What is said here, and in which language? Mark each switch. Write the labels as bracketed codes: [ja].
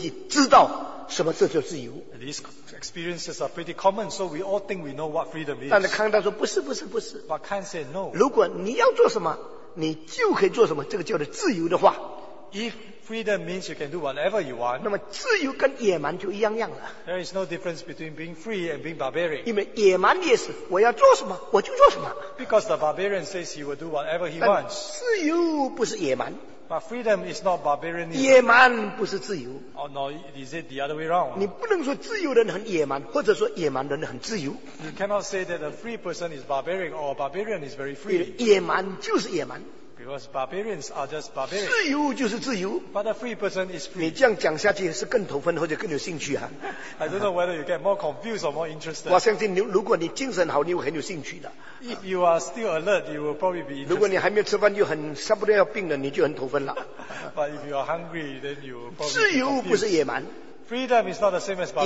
[zh] 从这种经验来说，我们都是自由，而且我们都以为自己知道什么这叫自由。 [en] These experiences are pretty common, so we all think we know what freedom is. [zh] 但是康德说不是。 [en] But Kant said no. [zh] 如果你要做什么，你就可以做什么，这个叫做自由的话。 [en] If freedom means you can do whatever you want, [zh] 那么自由跟野蛮就一样样了。 [en] There is no difference between being free and being barbaric. [zh] 因为野蛮也是，我要做什么我就做什么。 [en] Because the barbarian says he will do whatever he wants. [zh] 自由不是野蛮。 [en] But freedom is not barbarianism. [zh] 野蛮不是自由。 [en] Oh no, is it the other way around? [zh] 你不能说自由人很野蛮，或者说野蛮人很自由。 [en] You cannot say that a free person is barbaric or a barbarian is very free. [zh] 野蛮就是野蛮。 [en] Because barbarians are just barbarians. [zh] 自由就是自由。 [en] But a free person is free. [zh] 你这样讲下去是更头昏或者更有兴趣啊。 [en] I don't know whether you get more confused or more interested. [zh] 我相信如果你精神好，你会很有兴趣的。 [en] If you are still alert, you will probably be interested. [zh] 如果你还没有吃饭就很差不多要病了，你就很头昏了。 [en] But if you are hungry, then you will probably. [zh] 自由不是野蛮。 [en] Freedom is not the same as barbarism.